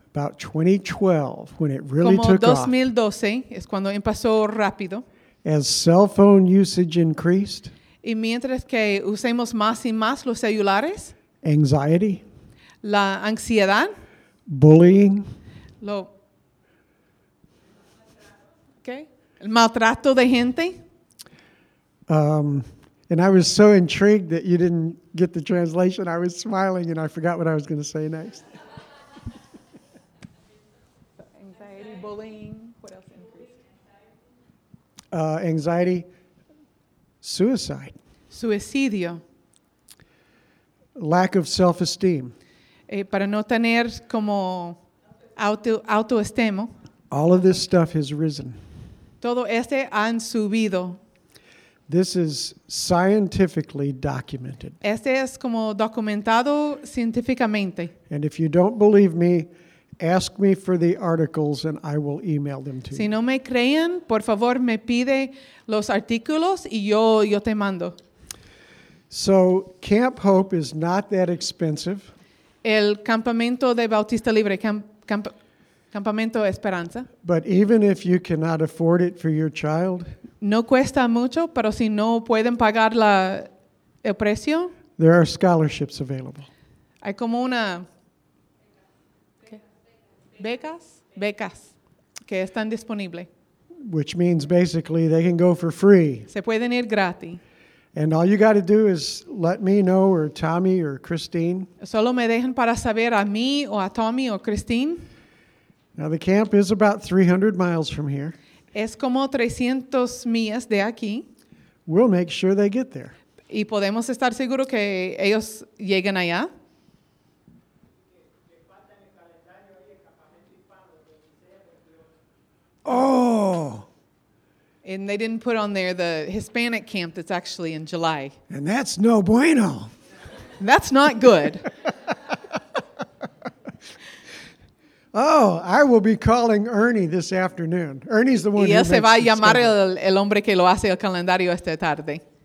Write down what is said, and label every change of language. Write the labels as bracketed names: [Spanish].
[English] about 2012, when it really took [Spanish] 2012, [English] off, [Spanish] es cuando empezó rápido, [English] as cell phone usage increased, [Spanish] y mientras que usemos más y más los celulares, [English] anxiety, [Spanish] la ansiedad, [English] bullying, [Spanish] el maltrato de gente. [English] And I was so intrigued that you didn't get the translation. I was smiling and I forgot what I was going to say next. Anxiety, bullying, what else increased? Anxiety, suicide. [Spanish] Suicidio. [English] Lack of self-esteem. [Spanish] Para no tener como autoestima. [English] All of this stuff has risen. [Spanish] Todo este han subido. [English] This is scientifically documented. [Spanish] Este es como documentado científicamente. [English] And if you don't believe me, Ask me for the articles and I will email them to you. [Spanish] Si no me creen, por favor me pide los artículos y yo te mando. [English] So Camp Hope is not that expensive. [Spanish] El campamento de Bautista Libre, campamento Esperanza. [English] But even if you cannot afford it for your child, [Spanish] no cuesta mucho, pero si no pueden pagar el precio, [English] there are scholarships available. [Spanish] Hay como una becas que están disponibles. [English] Which means basically they can go for free. [Spanish] Se pueden ir gratis. [English] And all you got to do is let me know, or Tommy or Christine. [Spanish] Solo me dejan para saber a mí o a Tommy o Christine. [English] Now the camp is about 300 miles from here. [Spanish] Es como 300 millas de aquí. [English] We'll make sure they get there. [Spanish] Y podemos estar seguros que ellos llegan allá. Oh. [English] And they didn't put on there the Hispanic camp that's actually in July. And that's [Spanish] no bueno. [English] That's not good. Oh, I will be calling Ernie this afternoon. Ernie's the one [Spanish] y él [English] who [Spanish] se va a llamar el hombre que lo hace el calendario esta tarde.